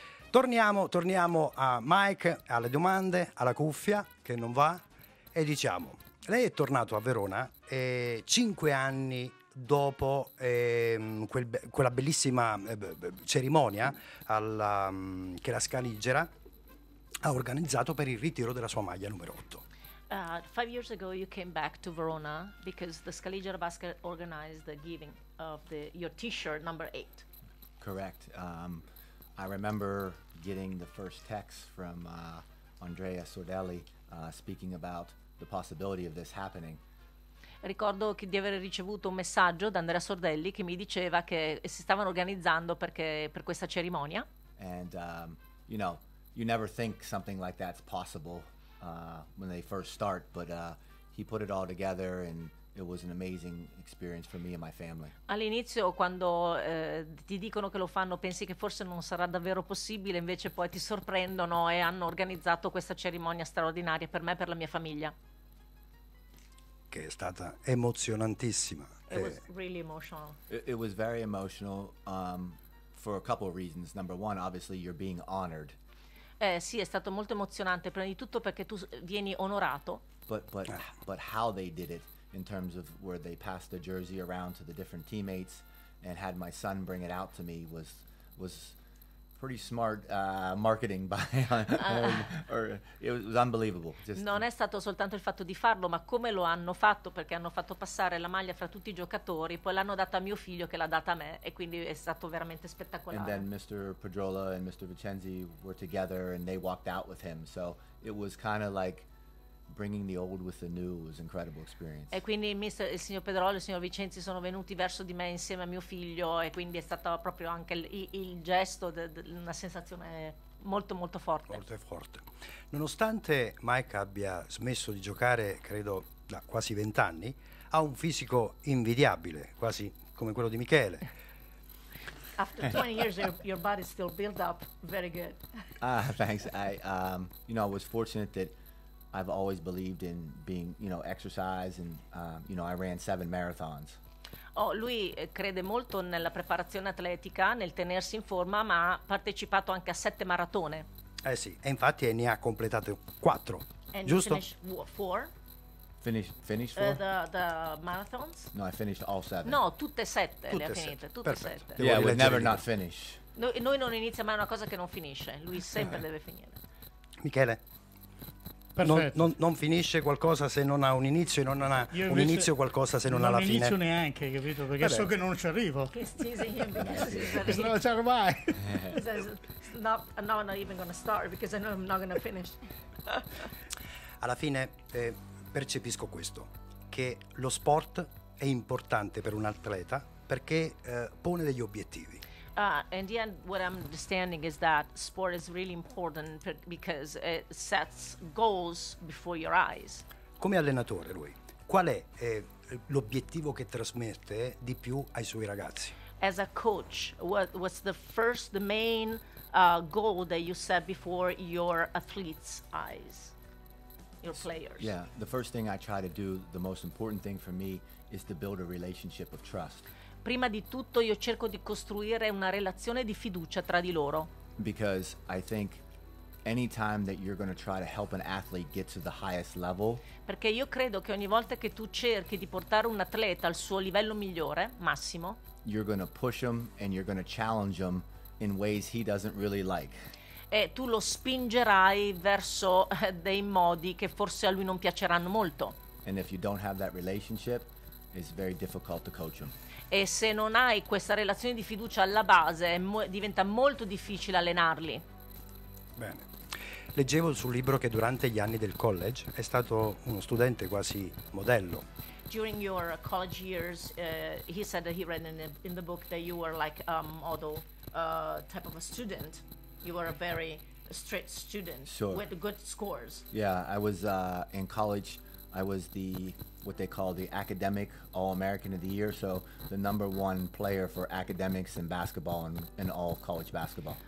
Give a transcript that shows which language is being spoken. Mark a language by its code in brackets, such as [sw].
[it] Torniamo a Mike, alle domande, alla cuffia che non va, e diciamo, lei è tornato a Verona 5 anni dopo quella bellissima cerimonia che la Scaligera ha organizzato per il ritiro della sua maglia numero 8. [en] 5 years ago you came back to Verona because the Scaligera Basket organized the giving of your t-shirt number 8. Correct. I remember getting the first text from Andrea Sordelli speaking about the possibility of this happening. [it] Ricordo che di aver ricevuto un messaggio da Andrea Sordelli che mi diceva che si stavano organizzando per questa cerimonia. [en] And you know, you never think something like that's possible. When they first start, but he put it all together and it was an amazing experience for me and my family. [it] All'inizio, quando ti dicono che lo fanno, pensi che forse non sarà davvero possibile, invece poi ti sorprendono e hanno organizzato questa cerimonia straordinaria per me e per la mia famiglia. Che è stata emozionantissima. [en] It was really emotional. It was very emotional for a couple of reasons. Number one, obviously you're being honored. [it] Sì, è stato molto emozionante, prima di tutto perché tu vieni onorato. [en] But how they did it, in terms of where they passed the jersey around to the different teammates and had my son bring it out to me, was pretty smart marketing by it was unbelievable. [it] Non è stato soltanto il fatto di farlo, ma come lo hanno fatto, perché hanno fatto passare la maglia fra tutti i giocatori, poi l'hanno data a mio figlio che l'ha data a me, e quindi è stato veramente spettacolare. [en] And then Mr. Pedrola and Mr. Vincenzi were together and they walked out with him, so it was kind of like bringing the old with the new. Was an incredible experience. [it] E quindi il signor Pedrolo e il signor Vincenzi sono venuti verso di me insieme a mio figlio, e quindi è stato proprio anche il gesto, una sensazione molto molto forte. Molto forte. Nonostante Mike abbia smesso di giocare, credo, da quasi 20 anni, ha un fisico invidiabile, quasi come quello di Michele. [en] After 20 years, your body still built up very good. Thanks. I was fortunate that I've always believed in being, you know, exercise, and you know, I ran 7 marathons. [it] Oh, lui crede molto nella preparazione atletica, nel tenersi in forma, ma ha partecipato anche a 7 maratone. Eh sì, e infatti ne ha completate 4. [en] And [it] giusto? [en] Finished 4? The marathons? No, I finished all 7. [it] No, tutte 7. [en] Yeah, we never not finish. [it] Noi non inizia mai una cosa che non finisce. Lui sempre deve finire. Michele. Non finisce qualcosa se non ha un inizio, e non ha un inizio qualcosa se non ha la fine. Non inizio neanche, capito? Perché so che non ci arrivo. Che stisi, non ci arrivo mai. [en] No, I'm not even gonna start because I know I'm not gonna finish. [it] Alla fine percepisco questo, che lo sport è importante per un atleta perché pone degli obiettivi. [en] In the end, what I'm understanding is that sport is really important because it sets goals before your eyes. [it] Come allenatore, lui, qual è l'obiettivo che trasmette di più ai suoi ragazzi? [en] as a coach, what was the first, the main goal that you set before your athletes' eyes, your players? Yeah, the first thing I try to do, the most important thing for me, is to build a relationship of trust. [it] Prima di tutto io cerco di costruire una relazione di fiducia tra di loro. [en] Because I think any time that you're going to try to help an athlete get to the highest level, [it] perché io credo che ogni volta che tu cerchi di portare un atleta al suo livello migliore, massimo, [en] you're going to push him and you're going to challenge him in ways he doesn't really like. [it] E tu lo spingerai verso dei modi che forse a lui non piaceranno molto. [en] And if you don't have that relationship, it's very difficult to coach him. [it] E se non hai questa relazione di fiducia alla base, diventa molto difficile allenarli. Bene. Leggevo sul libro che durante gli anni del college è stato uno studente quasi modello. [en] During your college years, he said that he read in the book that you were like a model type of a student. You were a very strict student. Sure. With good scores. Yeah, I was in college. I was the what they call the academic All-American of the Year, so the number one player for academics in basketball and in all college basketball.